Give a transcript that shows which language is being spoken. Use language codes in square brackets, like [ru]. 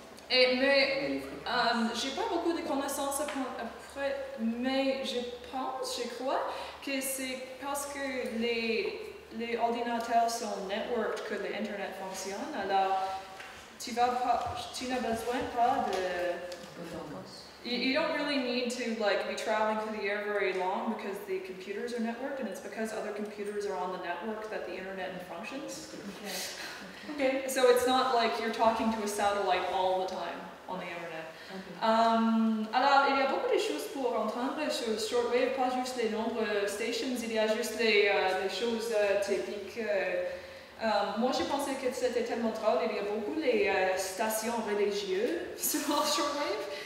[fr] Mais j'ai pas beaucoup de connaissances après, mais je crois que c'est parce que les ordinateurs sont networked que l'Internet fonctionne. Alors, tu n'as besoin pas de... [en] You don't really need to like be traveling through the air very long because the computers are networked, and it's because other computers are on the network that the Internet functions. Okay. So it's not like you're talking to a satellite all the time on the Internet. Okay. [fr] Alors, il y a beaucoup de choses pour entendre sur shortwave, pas juste les nombres de stations, il y a juste les choses typiques. Moi, j'ai pensé que c'était tellement drôle, il y a beaucoup les stations religieuses sur shortwave.